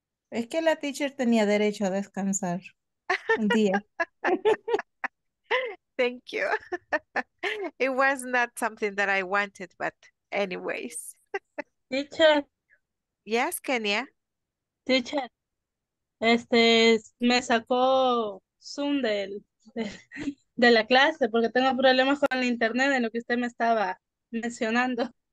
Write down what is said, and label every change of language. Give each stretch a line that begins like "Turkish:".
Spanish: Es que la teacher tenía derecho a descansar un día.
English: Thank you. It was not something that I wanted, but anyways. Teacher. Yes, Kenya. Teacher.
Spanish: Me sacó Zoom de la clase porque tengo problemas con el internet en lo que usted me estaba mencionando.